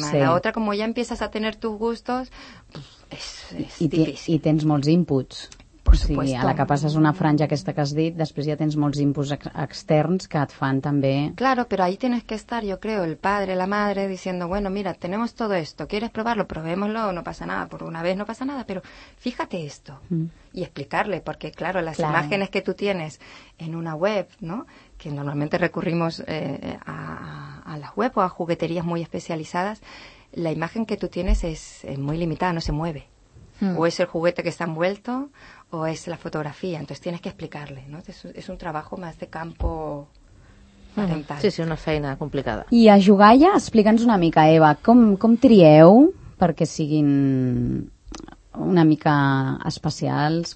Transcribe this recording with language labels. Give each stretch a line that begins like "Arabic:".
Spanish: Molt, sí. La otra, como ya empiezas a tener tus gustos, es difícil.
Catalan: I tens molts inputs. Sí, a la que passes una franja aquesta que has dit, després ja tens molts inputs externs que et fan també...
Spanish: Claro, pero ahí tienes que estar, yo creo, el padre, la madre, diciendo, bueno, mira, tenemos todo esto, ¿quieres probarlo? Probémoslo, no pasa nada, por una vez no pasa nada, pero fíjate esto y explicarle, porque claro, las imágenes que tú tienes en una web, ¿no?, que normalmente recurrimos a las web o a jugueterías muy especializadas, la imagen que tú tienes es muy limitada, no se mueve. O es el juguete que está envuelto o es la fotografía. Entonces tienes que explicarle, ¿no? Es un trabajo más de campo mental.
Catalan: Sí, sí, una feina complicada. I a jugalla, explica'ns una mica, Eva, com trieu perquè siguin una mica especials?